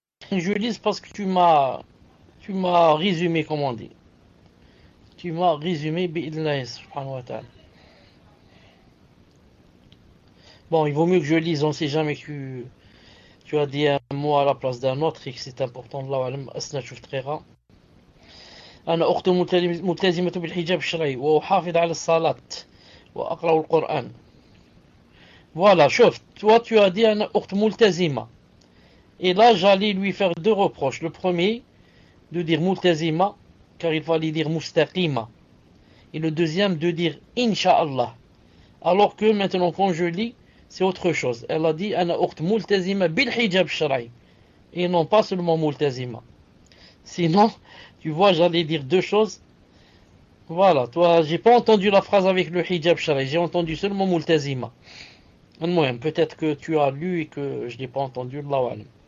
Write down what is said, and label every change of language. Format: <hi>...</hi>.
<fr>Je lis parce que tu m'as résumé, comme on dit. Tu m'as résumé,</fr> <ar>bi'idhnillah, subhanahu wa ta'ala.</ar> <fr>Bon, il vaut mieux que je lise, on ne sait jamais que tu as dit un mot à la place d'un autre et que c'est important.</fr> <ar>Allahu a'lam, asnachuf trera. أنا أخت ملتزمة بالحجاب الشرعي وأحافظ على الصلاة وأقرأ القرآن.</ar> <fr>Voilà,</fr> <ar>شوف,</ar> <fr>toi tu as dit</fr> <ar>أنا أخت ملتزمة.</ar> <fr>Et là, j'allais lui faire deux reproches. Le premier, de dire ملتزمة, car il fallait dire مستقيمة. Et le deuxième, de dire إنشاء الله. Alors que maintenant, quand je lis, c'est autre chose. Elle a dit</fr> <ar>أنا أخت ملتزمة بالحجاب الشرعي.</ar> <fr>Et non pas seulement ملتزمة. Sinon, tu vois, j'allais dire deux choses. Voilà, toi, j'ai pas entendu la phrase avec le hijab charré, j'ai entendu seulement Multazima. Moi, peut-être que tu as lu et que je n'ai pas entendu Allahu.</fr>